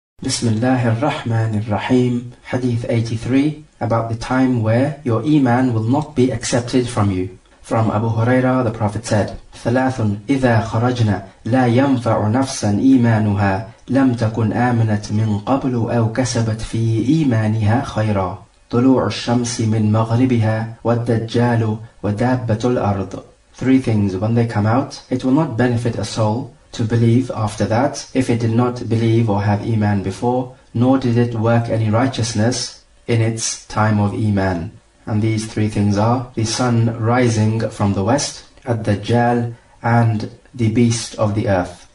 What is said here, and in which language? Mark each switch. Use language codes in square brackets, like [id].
[en] Bismillahir Rahmanir Rahim, Hadith 83, about the time where your Iman will not be accepted from you. From Abu Huraira, the Prophet said, [ar] ثَلَاثٌ إِذَا خَرَجْنَا لَا يَنْفَعُ نَفْسًا إِيمَانُهَا لَمْ تَكُنْ آمَنَتْ مِنْ قَبْلُ أَوْ كَسَبَتْ فِي إِيمَانِهَا خَيْرًا طُلُوعُ الشَّمْسِ مِنْ مَغْرِبِهَا وَالدَّجَّالُ وَدَابَّةُ الْأَرْضُ. [en] Three things: when they come out, it will not benefit a soul to believe after that, if it did not believe or have Iman before, nor did it work any righteousness in its time of Iman. And these three things are the sun rising from the west, Ad-Dajjal, and the beast of the earth.